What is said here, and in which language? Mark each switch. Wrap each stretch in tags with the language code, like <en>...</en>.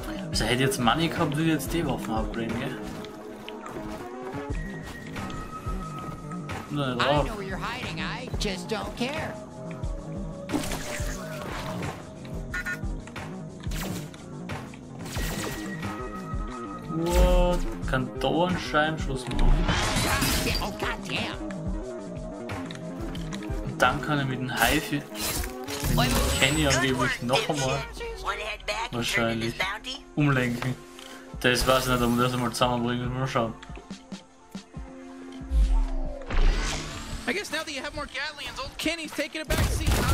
<de>Also hätte jetzt Money gehabt, würde ich jetzt die Waffen upgraden, gell? Na, ja.</de> <en>I know you're hiding, I just don't care. What?</en> <de>Kann da einen Scheinschuss machen?</de> <en>Oh, God damn.</en> <de>Dann kann er mit dem Haifi Kenny angeblich noch einmal. wahrscheinlich umlenken. Das weiß ich nicht, ob wir das einmal zusammenbringen. Mal schauen.</de> <en>I guess now that you have more Gatlians, old Kenny's taking a back seat.</en>